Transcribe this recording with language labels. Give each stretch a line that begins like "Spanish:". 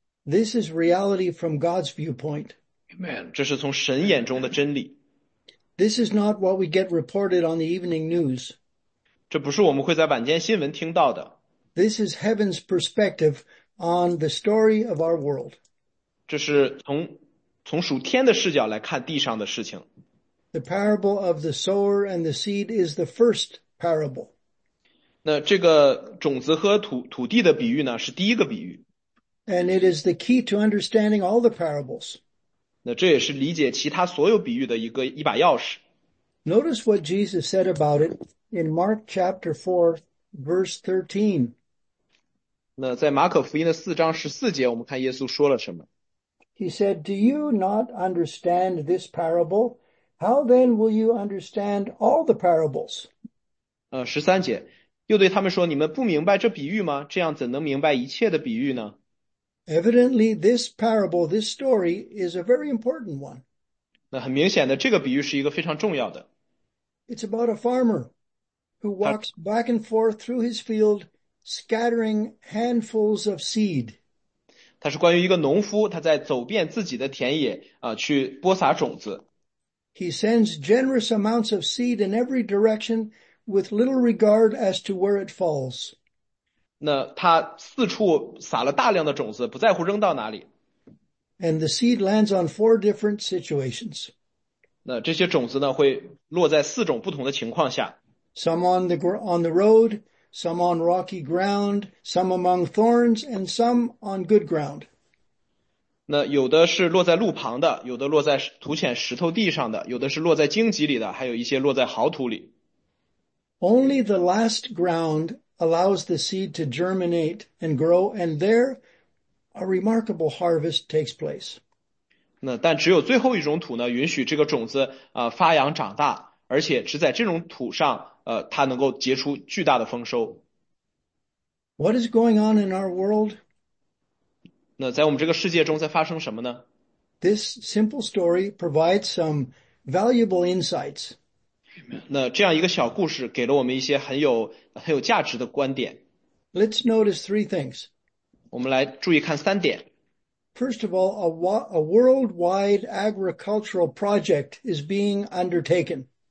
English: This is reality from God's viewpoint.
Chinese: Amen. 这是从神眼中的真理。
English: This is not what we get reported on the evening news.
Chinese: 这不是我们会在晚间新闻听到的。
English: This is heaven's perspective on the story of our world.
Chinese: 这是从属天的视角来看地上的事情。
English: The parable of the sower and the seed is the first parable.
Chinese: 那这个种子和土地的比喻呢，是第一个比喻。
English: And it is the key to understanding all the parables.
Chinese: 那这也是理解其他所有比喻的一把钥匙。
English: Notice what Jesus said about it in Mark chapter 4, verse 13.
Chinese: 那在马可福音的4章14节，我们看耶稣说了什么。
English: He said, Do you not understand this parable? How then will you understand all the parables?
Chinese: 13节，又对他们说，你们不明白这比喻吗？这样怎能明白一切的比喻呢？
English: Evidently, this parable, this story, is a very important one.
Chinese: 那很明显的，这个比喻是一个非常重要的。
English: It's about a farmer who walks back and forth through his field, scattering handfuls of seed.
Chinese: 他是关于一个农夫，他在走遍自己的田野，去播撒种子。
English: He sends generous amounts of seed in every direction with little regard as to where it falls.
Chinese: 那他四处撒了大量的种子，不在乎扔到哪里。
English: And the seed lands on four different situations.
Chinese: 那这些种子呢，会落在四种不同的情况下。
English: Some on the road, some on rocky ground, some among thorns, and some on good ground.
Chinese: 那有的是落在路旁的，有的落在土浅石头地上的，有的是落在荆棘里的，还有一些落在好土里。
English: Only the last ground allows the seed to germinate and grow, and there a remarkable harvest takes place.
Chinese: 那但只有最后一种土呢，允许这个种子发芽长大，而且只在这种土上它能够结出巨大的丰收。
English: What is going on in our world?
Chinese: 那在我们这个世界中在发生什么呢？
English: This simple story provides some valuable insights.
Chinese: 那这样一个小故事给了我们一些很有价值的观点。
English: Let's notice three things.
Chinese: 我们来注意看三点。
English: First of all, a worldwide agricultural project is being undertaken.